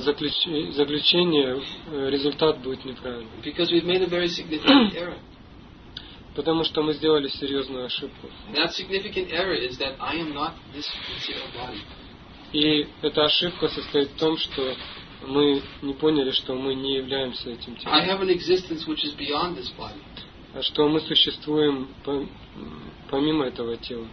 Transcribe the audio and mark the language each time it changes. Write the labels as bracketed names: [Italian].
[Russian] Заключение, результат будет неправильным. [English] Because we've made a very significant error. [Russian] Потому что мы сделали серьезную ошибку. [English] That significant error is that I am not this material body. [Russian] И эта ошибка состоит в том, что мы не поняли, что мы не являемся этим телом. [English] I have an existence which is beyond this body. [Russian] Что мы существуем помимо этого тела.